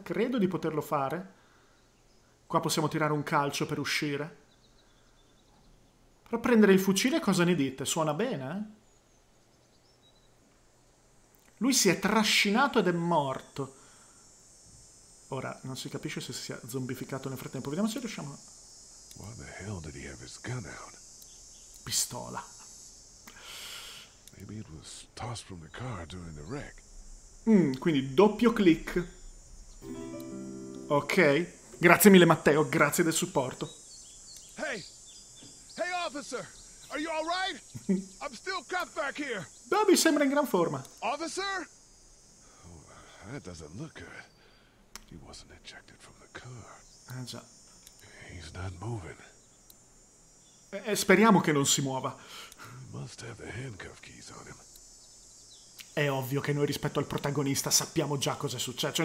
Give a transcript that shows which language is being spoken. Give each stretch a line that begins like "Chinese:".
Italian: Credo di poterlo fare. Qua possiamo tirare un calcio per uscire. Però prendere il fucile, cosa ne dite? Suona bene, eh? Lui si è trascinato ed è morto. Ora, non si capisce se si è zombificato nel frattempo. Vediamo se riusciamo.
English: What the hell did he have his gun out?
Italian: Pistola.
English: Maybe it was tossed from the car during the wreck.
Italian: Quindi doppio click. Ok. Grazie mille Matteo, grazie del supporto.
English: Hey! Hey officer! Are you all right? I'm still cuffed back here.
Italian: Bobby sembra in gran forma.
English: Officer? Oh, that doesn't look good. He wasn't ejected from the car.
Italian: Ah già.
English: He's not moving.
Italian: Speriamo che non si muova.
English: He must have the handcuff keys on him.
Italian: È ovvio che noi rispetto al protagonista sappiamo già cosa è successo.